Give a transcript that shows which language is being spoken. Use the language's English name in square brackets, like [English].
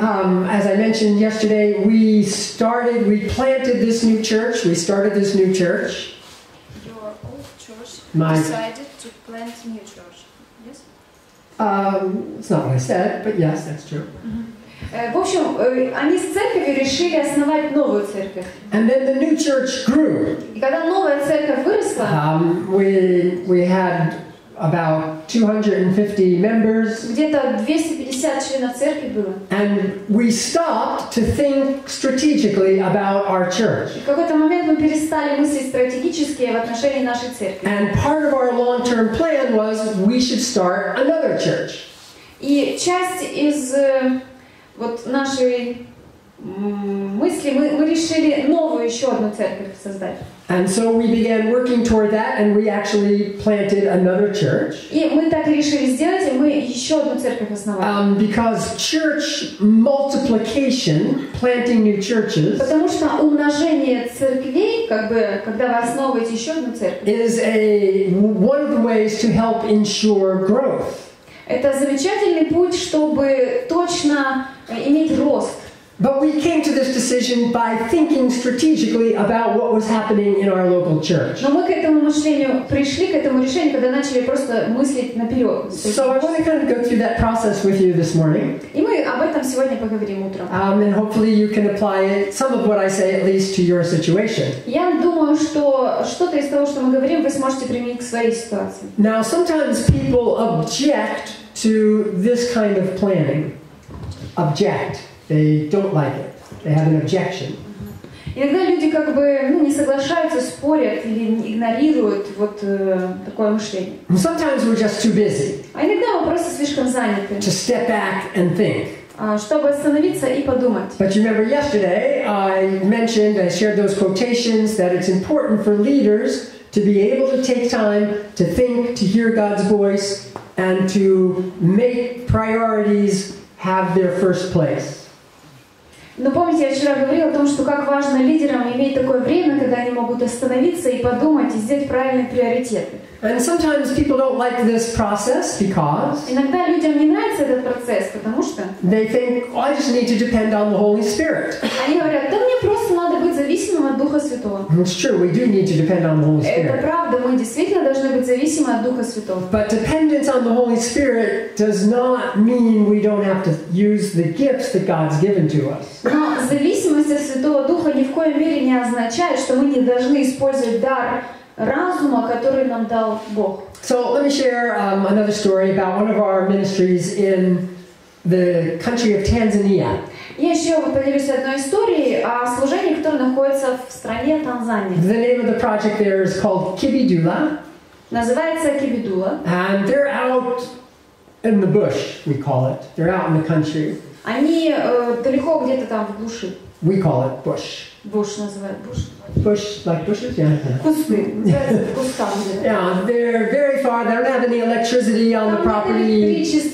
[English] As I mentioned yesterday, we planted this new church. Your old church decided to plant new church. Yes. It's not what I said, but yes, that's true. Mm-hmm. [Russian] В общем, они с церковью решили основать новую церковь. [English] And then the new church grew. [Russian] И когда новая церковь выросла, [English] we had about 250 members. [Russian] Где-то 250 членов церкви было. [English] And we stopped to think strategically about our church. [Russian] В какой-то момент мы перестали мыслить стратегически в отношении нашей церкви. [English] And part of our long-term plan was we should start another church. [Russian] И часть из вот наши мысли, мы решили новую еще одну церковь создать. [English] And so we began working toward that, and we actually planted another church. [Russian] И мы так и решили сделать, и мы еще одну церковь основали. [English] Because church multiplication, planting new churches. [Russian] Потому что умножение церквей, как бы, когда вы основываете еще одну церковь, [English] is a one of the ways to help ensure growth. [Russian] Это замечательный путь, чтобы точно иметь рост. [English] But we came to this decision by thinking strategically about what was happening in our local church. [Russian] Но мы к этому мышлению пришли, к этому решению, когда начали просто мыслить наперед. [English] So I want to kind of go through that process with you this morning. [Russian] И мы об этом сегодня поговорим утром. [English] And hopefully you can apply some of what I say at least to your situation. [Russian] Я думаю, что что-то из того, что мы говорим, вы сможете применить к своей ситуации. [English] Now sometimes people object to this kind of planning. Object. They don't like it. They have an objection. [Russian] Иногда люди как бы не соглашаются, спорят или игнорируют вот такое мышление. [English] Sometimes we're just too busy. [Russian] А иногда мы просто слишком заняты. [English] To step back and think. [Russian] Чтобы остановиться и подумать. [English] But you remember yesterday I shared those quotations that it's important for leaders to be able to take time to think, to hear God's voice, and to make priorities have their first place. [Russian] Но помните, я вчера говорила о том, что как важно лидерам иметь такое время, когда они могут остановиться и подумать, и сделать правильные приоритеты. [English] And sometimes people don't like this process because [Russian] иногда людям не нравится этот процесс, потому что [English] they think, oh, I just need to depend on the Holy Spirit. [Russian] Они говорят, да мне просто надо быть зависимым от Духа Святого. [English] It's true, we do need to depend on the Holy Spirit. [Russian] Это правда, мы действительно должны быть зависимы от Духа Святого. [English] But dependence on the Holy Spirit does not mean we don't have to use the gifts that God's given to us. [Russian] Но зависимость от Святого Духа ни в коей мере не означает, что мы не должны использовать дар разума, который нам дал Бог. [English] So let me share another story about one of our ministries in the country of Tanzania. [Russian] Я еще поделюсь одной историей о служении, которое находится в стране Танзания. [English] The name of the project there is called Kibidula. [Russian] Называется Kibidula. [English] And they're out in the bush, we call it. They're out in the country. [Russian] Они далеко где-то там в глуши. [English] We call it bush. [Russian] Bush называют bush. [English] Bush, like bushes, yeah. Yeah, they're very far. They don't have any electricity on the property.